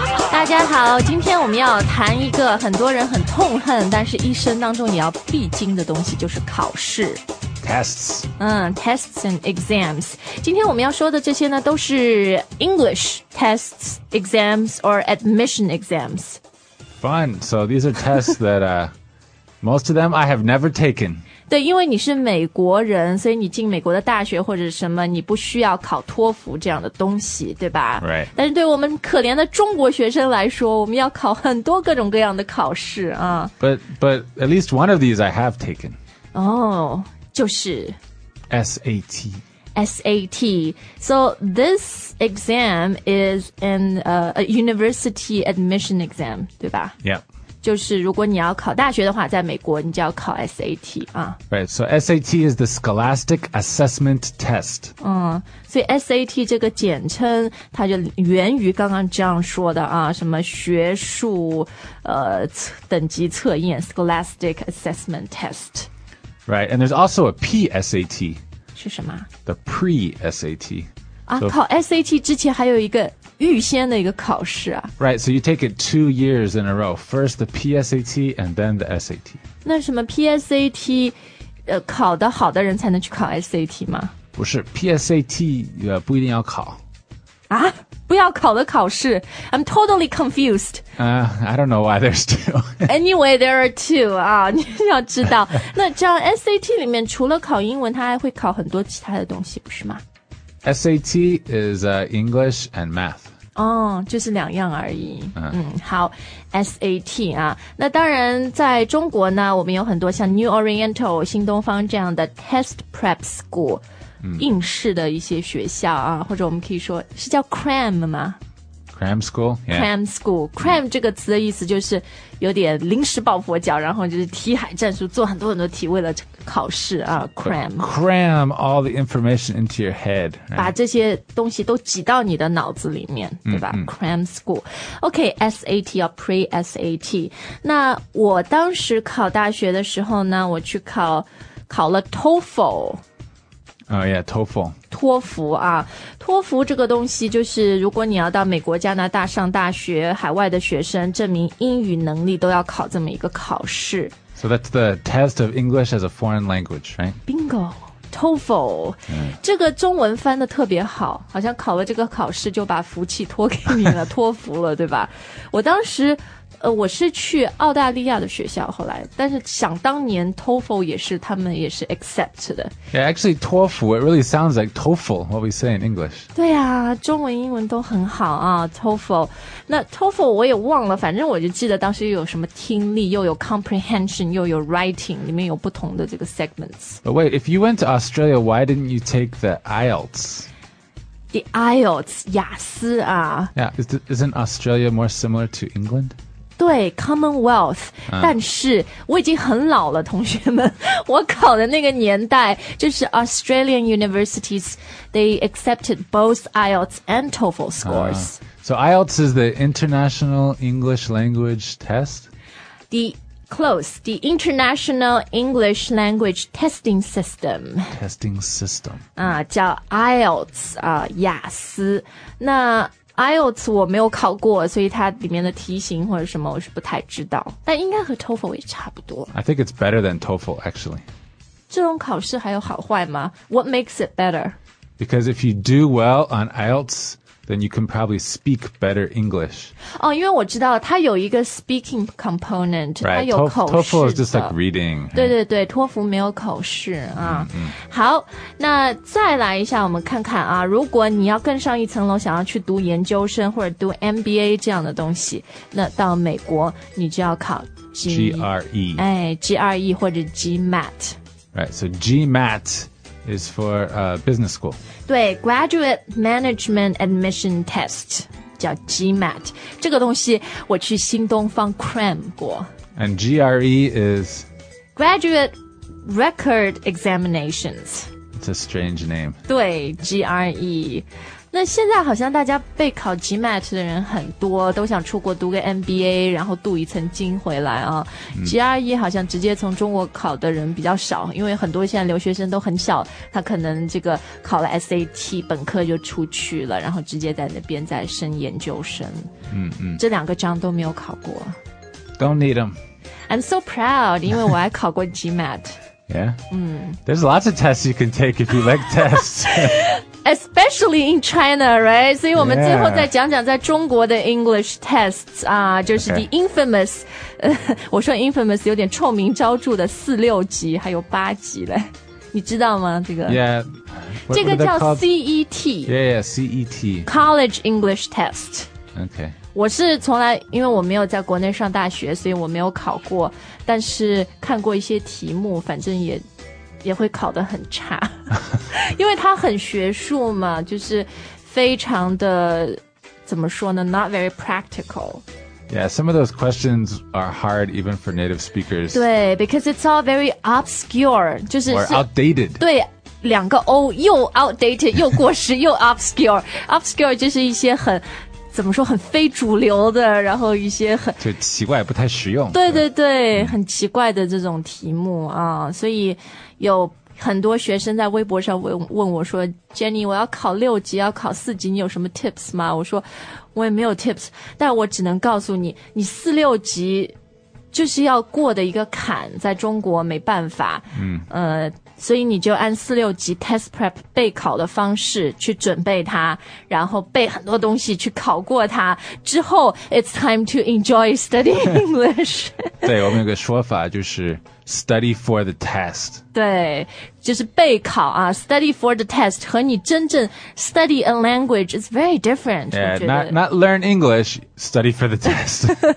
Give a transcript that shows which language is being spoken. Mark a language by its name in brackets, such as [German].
[Chinese] 大家好，今天我们要谈一个很多人很痛恨，但是一生当中也要必经的东西，就是考试。 [English] Tests. Tests and exams. [Chinese] 今天我们要说的这些呢，都是 [English] English tests, exams, or admission exams. Fun. So these are tests that most of them I have never taken. [Chinese] 对，因为你是美国人，所以你进美国的大学或者什么，你不需要考托福这样的东西，对吧？ [English] Right. [Chinese] 但是对我们可怜的中国学生来说，我们要考很多各种各样的考试啊。 [English] But at least one of these I have taken. [Chinese] Oh. 就是 [English] SAT. SAT. So this exam is a university admission exam, 对吧 Yeah. [Chinese] 就是如果你要考大学的话在美国你就要考 SAT.、 [English] Right, so SAT is the Scholastic Assessment Test. [Chinese] 所以 SAT 这个简称它就源于刚刚这样说的啊什么学术等级测验 Scholastic Assessment Test. [English] Right, and there's also a PSAT. [Chinese] 是什么？ [English] The pre-SAT. [Chinese] 啊，考 SAT 之前还有一个预先的一个考试啊。 [English] Right, so you take it 2 years in a row. First the PSAT and then the SAT. [Chinese] 那什么 PSAT, 考得好的人才能去考 SAT 吗？不是 ,PSAT, 不一定要考。啊，不要考的考试。 [English] I'm totally confused. I don't know why there's two. Anyway, there are two. [Chinese] 你要知道。那这样 SAT 里面除了考英文它还会考很多其他的东西不是吗 [English] ?SAT is English and math. [Chinese] 哦、oh, 就是两样而已。好 ,SAT 啊。那当然在中国呢我们有很多像 New Oriental, 新东方这样的 test prep school。应试的一些学校啊，或者我们可以说是叫 cram 吗 [English] ？Cram school,、yeah. cram school, cram 这个词的意思就是有点临时抱佛脚，然后就是题海战术，做很多很多题为了考试啊。 Cram, But cram all the information into your head,、right? [Chinese] 把这些东西都挤到你的脑子里面，对吧、mm-hmm. ？Cram school, OK, SAT 要 pre SAT。那我当时考大学的时候呢，我去考了 TOEFL。 [English] Oh, yeah, TOEFL. [Chinese] 托福啊，托福这个东西就是如果你要到美国、加拿大上大学，海外的学生证明英语能力都要考这么一个考试。 [English] So that's the test of English as a foreign language, right? Bingo, TOEFL.、Mm. [Chinese] 这个中文翻得特别好，好像考了这个考试就把福气托给你了，托福了，对吧？我当时我是去澳大利亚的学校后来但是想当年 TOEFL 也是他们也是 accept 的 [English] Yeah, actually TOEFL, it really sounds like TOEFL, what we say in English [Chinese] 对啊中文英文都很好啊 TOEFL 那 TOEFL 我也忘了反正我就记得当时又有什么听力又有 comprehension 又有 writing 里面有不同的这个 segments [English] But wait, if you went to Australia, why didn't you take the IELTS The IELTS, 雅思啊 Yeah, isn't Australia more similar to England? [Chinese] 对 Commonwealth、但是我已经很老了同学们我考的那个年代就是 [English] Australian universities They accepted both IELTS and TOEFL scores、 So IELTS is the International English Language Test? The International English Language Testing System. Testing System. [Chinese] 叫 IELTS, 雅思。那 IELTS 我没有考过所以它里面的题型或者什么我是不太知道。但应该和 TOEFL 也差不多。 [English] I think it's better than TOEFL, actually. [Chinese] 这种考试还有好坏吗 ? [English] What makes it better? Because if you do well on IELTS,then you can probably speak better English. [Chinese] 哦，因为我知道它有一个 speaking component, [English] right, [Chinese] 它有口试的。 [English] TOEFL is just like reading. [Chinese] 对对对，托福没有口试啊。好，那再来一下，我们看看啊，如果你要更上一层楼，想要去读研究生或者读 MBA 这样的东西，那到美国你就要考 [English] GRE. [Chinese] 哎 ，GRE 或者 GMAT. [English] Right, so GMAT. Is for business school. [Chinese] 对 Graduate Management Admission Test, 叫 GMAT. 这个东西我去新东方 cram 过。 [English] And GRE is? Graduate Record Examinations. It's a strange name. [Chinese] 对 GRE. 那现在好像大家备考 GMAT 的人很多，都想出国读个 MBA 然后镀一层金回来啊。 GRE 好像直接从中国考的人比较少，因为很多现在留学生都很小，他可能这个考了 SAT 本科就出去了，然后直接在那边再升研究生。嗯嗯，这两个章都没有考过。 [English] Don't need them. I'm so proud [Chinese] 因为我还考过 [English] GMAT. Yeah. There's lots of tests you can take if you like tests. Especially in China, right? [Chinese] 所以我们最后再讲讲在中国的 English tests 啊、就是 the infamous、我说 infamous 有点臭名昭著的四六级还有八级嘞，你知道吗？这个 [English] Yeah, [Chinese] what, 这个叫 CET. [English] Yeah, yeah, CET. College English Test. Okay. [Chinese] 我是从来因为我没有在国内上大学，所以我没有考过，但是看过一些题目，反正也会考得很差，因为它很学术嘛，就是非常的怎么说呢 ？ [English] Not very practical. Yeah, some of those questions are hard even for native speakers. 对 ，because it's all very obscure, 就是 or outdated. [Chinese] 对，两个 O 又 outdated 又过时又 obscure. Obscure 就是一些很怎么说很非主流的，然后一些很就奇怪不太实用。对对对，很奇怪的这种题目啊，所以。有很多学生在微博上问我说 Jenny 我要考六级要考四级你有什么 tips 吗，我说我也没有 tips， 但我只能告诉你，你四六级就是要过的一个坎，在中国没办法。所以你就按四六级 test prep 备考的方式去准备它，然后背很多东西去考过它之后 [English] it's time to enjoy studying English。 [Chinese] 对，我们有个说法就是 [English] study for the test。 [Chinese] 对，就是备考啊， [English] study for the test [Chinese] 和你真正 [English] study a language is very different. Yeah, not learn English, study for the test.